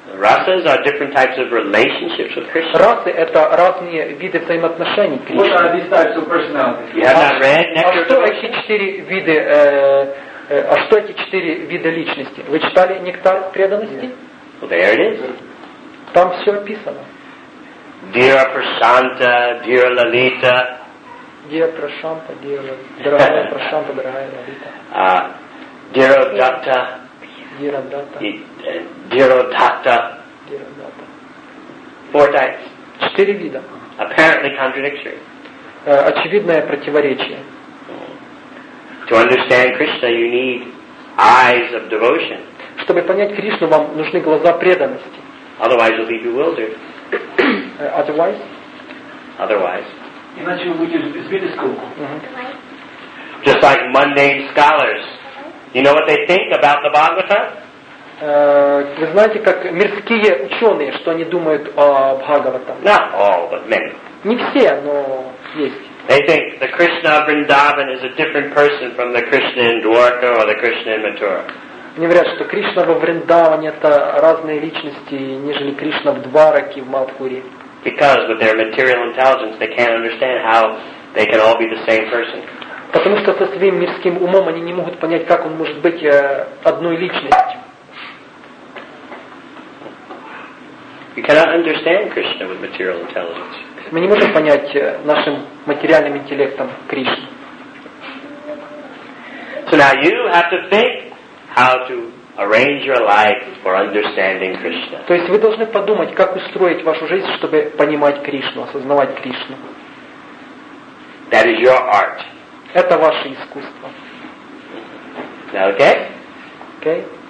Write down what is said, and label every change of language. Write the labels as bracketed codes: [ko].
[en] Rasas are different types of relationships with Krishna. [ru] Расы — это разные виды взаимоотношений к Кришне. [en] What are these types of personalities? You have not read Nectar Devotion? [ru] А что эти четыре виды? А что эти четыре вида личности? Вы читали Нектар преданности? [en] Yeah. Well, there it is. [ru] Там все описано. [en] Dear Prashanta, dear Lalita. Dear Prashanta, [ru] дорогая Прашанта, дорогая Лалита. [en] Dear Adatta. Dhirodatta. Four types. [ru] Четыре вида. [en] Apparently contradictory. [ru] Очевидное противоречие. [en] To understand Krishna, you need eyes of devotion. [ru] Чтобы понять Кришну, вам нужны глаза преданности. [en] Otherwise, you'll be bewildered. Otherwise? Otherwise. [ru] Иначе вы будете сбиты с толку. [en] Just like mundane scholars. You know what they think about the Bhagavata? [ru] Вы знаете, как мирские ученые, что они думают о Бхагавате? [en] Not all, but many. [ru] Не все, но есть. [en] They think the Krishna of Vrindavan is a different person from the Krishna in Dwarka or the Krishna in Mathura. [ru] Они говорят, что Кришна во Вриндаване это разные личности, нежели Кришна в Двараке, в Мадхуре. [en] Because with their material intelligence, they can't understand how they can all be the same person. [ru] Потому что со своим мирским умом они не могут понять, как он может быть одной личностью. [en] You cannot understand Krishna with material intelligence. [ru] Мы не можем понять нашим материальным интеллектом Кришну. [en] So now you have to think how to arrange your life for understanding Krishna. [ru] То есть вы должны подумать, как устроить вашу жизнь, чтобы понимать Кришну, осознавать Кришну. [en] That is your art. [ru] Это ваше искусство. [en] Okay? Okay.